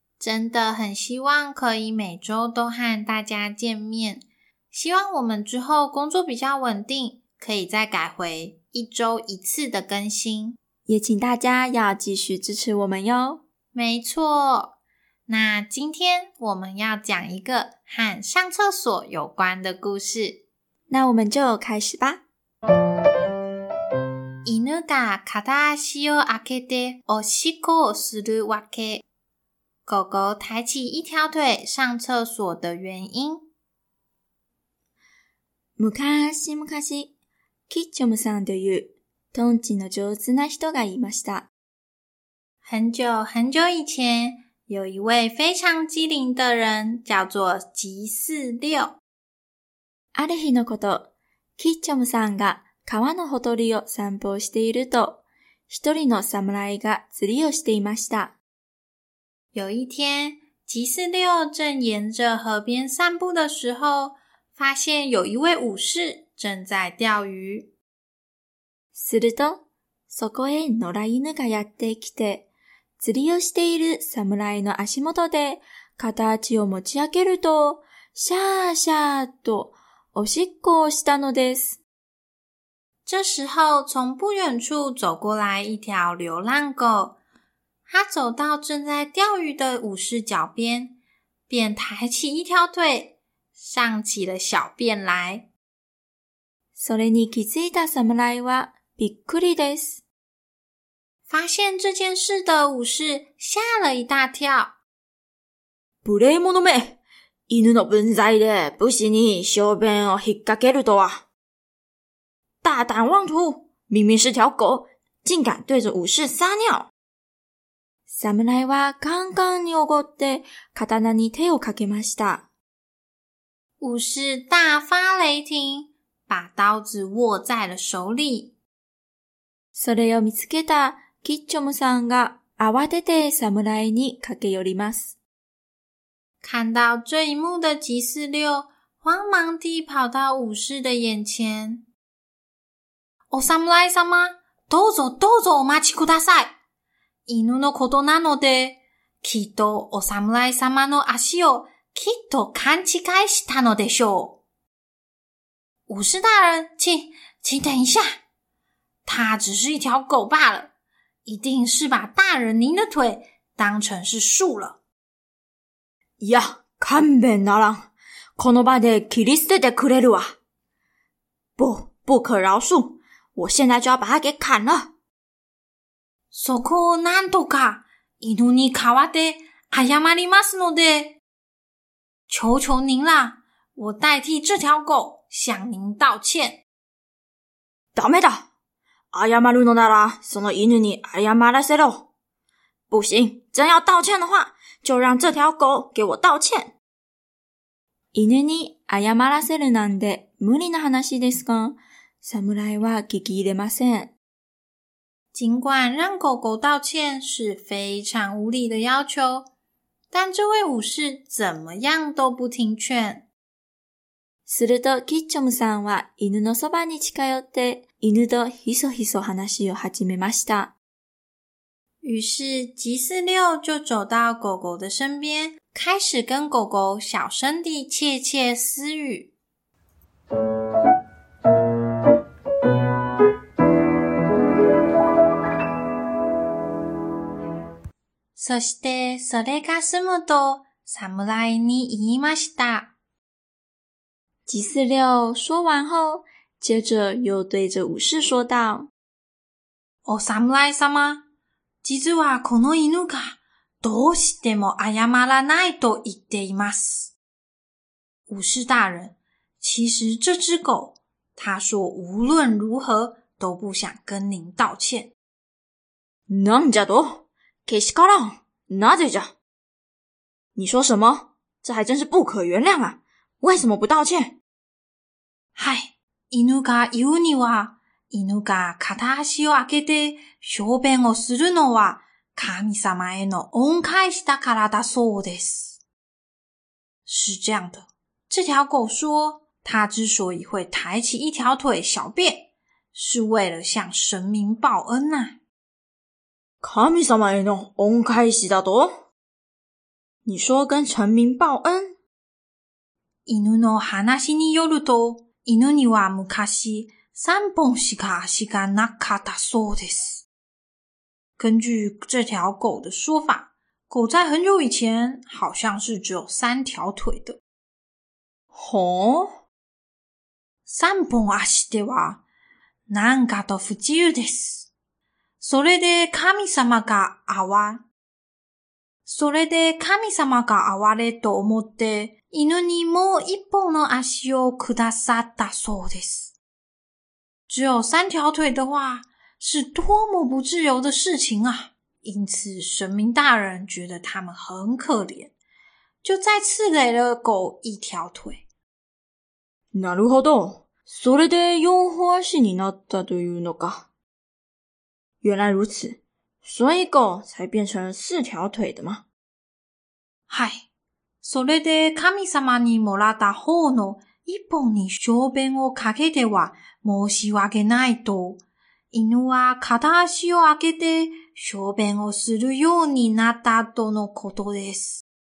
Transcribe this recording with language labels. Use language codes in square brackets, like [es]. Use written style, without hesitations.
[zh] 真的很希望可以每周都和大家见面，希望我们之后工作比较稳定，可以再改回一周一次的更新，也请大家要继续支持我们哟。没错，那今天我们要讲一个和上厕所有关的故事，那我们就开始吧。 [ja] 犬が片足を開けておしっこをするわけ。 [zh] 狗狗抬起一条腿上厕所的原因。 [ja] 昔昔キッチョムさんというトンチの上手な人がいました。 [zh] 很久很久以前、有一位非常機灵的人、叫做吉四六。 [ja] ある日のこと、キッチョムさんが川のほとりを散歩していると、一人の侍が釣りをしていました。 [zh] 有一天、吉四六正沿着河边散步的时候、发现有一位武士、正在钓鱼。 [ja] すると、そこへ野良犬がやってきて、釣りをしている侍の足元で、片足を持ち上げると、シャーシャーと、おしっこをしたのです。 [zh] 这时候、从不远处走过来一条流浪狗。他走到正在钓鱼的武士脚边、便抬起一条腿、上起了小便来。 [ja] それに気づいた侍はびっくりです。 [zh] 发现这件事的武士吓了一大跳。 [ja] 無礼者め、犬の分際で武士に小便を引っ掛けるとは。 [zh] 大胆妄徒、明明是条狗、竟敢对着武士撒尿。 [ja] 侍はカンカンに怒って刀に手をかけました。 [zh] 武士大发雷霆。把刀子握在了手里。 [ja] それを見つけたキッチョムさんが慌てて侍に駆け寄ります。 [zh] 看到这一幕的吉四六慌忙地跑到武士的眼前。 [ja] お侍様、どうぞどうぞお待ちください。犬のことなので、きっとお侍様の足をきっと勘違いしたのでしょう。 [zh] 武士大人，请等一下，他只是一条狗罢了，一定是把大人您的腿当成是树了。 [ja] いや、勘弁ならん。この場で切り捨ててくれるわ。 [zh] 不，不可饶恕。我现在就要把他给砍了。 [ja] そこをなんとか犬に代わって謝りますので、 [zh] 求求您啦，我代替这条狗。向您道歉。 [ja] ダメだ。謝るのなら、その犬に謝らせろ。 [zh] 不行、真要道歉的话、就让这条狗给我道歉。 [ja] 犬に謝らせるなんて無理な話ですが、侍は聞き入れません。 [zh] 尽管让狗狗道歉是非常无理的要求、但这位武士怎么样都不听劝。 [ja] するとキッチョムさんは犬のそばに近寄って犬とひそひそ話を始めました。 [zh] 于是吉四六就走到狗狗的身边、开始跟狗狗小声地窃窃私语。 [ja] そしてそれが済むと侍に言いました。 [zh] 吉四六说完后，接着又对着武士说道：“ [ja] お侍様、実はこの犬がどうしても謝らないと言っています。 [zh] 武士大人，其实这只狗，他说无论如何都不想跟您道歉。 [ja] なんじゃと？けしからん。なぜじゃ？ [zh] 你说什么？这还真是不可原谅啊！为什么不道歉？” [ja] 嗨，犬が言うには、犬が片足を開けて小便をするのは神様への恩返しだからだそうです。 [zh] 是这样的。这条狗说它之所以会抬起一条腿小便是为了向神明报恩啊。 [ja] 神様への恩返しだと？ [zh] 你说跟神明报恩？ [ja] 犬の話によると犬には昔三本しか足がなかったそうです。 [zh] 根据这条狗的说法，狗在很久以前好像是只有三条腿的。 [ja] ほう？三本足ではなんかと不自由です。それで神様が哀れと思って犬にもう一本の足をくださったそうです。 [zh] 只有三条腿的话是多么不自由的事情啊。因此神明大人觉得他们很可怜就再赐给了狗一条腿。 [ja] なるほど。それで四本足になったというのか。 [zh] 原来如此。所以狗才变成四条腿的嘛。 [ja] はい。それで神様にもらった方の一本に小便をかけては申し訳ないと、犬は片足を開けて小便をするようになったとのことです。